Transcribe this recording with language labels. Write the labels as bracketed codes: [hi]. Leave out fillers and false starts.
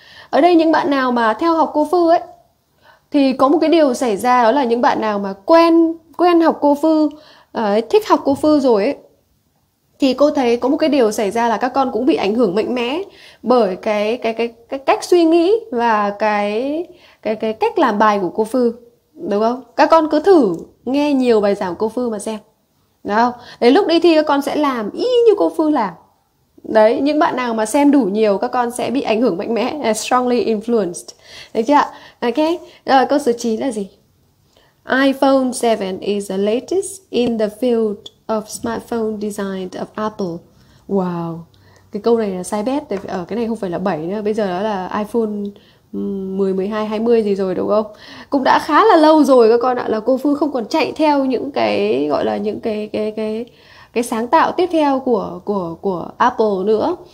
[vi] Ở đây những bạn nào mà theo học cô Phư ấy, thì có một cái điều xảy ra, đó là những bạn nào mà quen quen học cô Phư ấy, thích học cô Phư rồi ấy, thì cô thấy có một cái điều xảy ra là các con cũng bị ảnh hưởng mạnh mẽ bởi cái cách suy nghĩ và cái cách làm bài của cô Phư, đúng không? Các con cứ thử nghe nhiều bài giảng cô Phư mà xem, đúng không? Đến lúc đi thi các con sẽ làm y như cô Phư làm. Đấy, những bạn nào mà xem đủ nhiều các con sẽ bị ảnh hưởng mạnh mẽ, [en] strongly influenced, [vi] đấy chưa? Ok. Rồi câu số 9 là gì? [en] iPhone 7 is the latest in the field of smartphone design of Apple. [vi] Wow, cái câu này là sai bét. Ở cái này không phải là 7 nữa, bây giờ đó là iPhone 10, 12, 20 gì rồi đúng không? Cũng đã khá là lâu rồi các con ạ, là cô Phương không còn chạy theo những cái gọi là những cái sáng tạo tiếp theo của Apple nữa.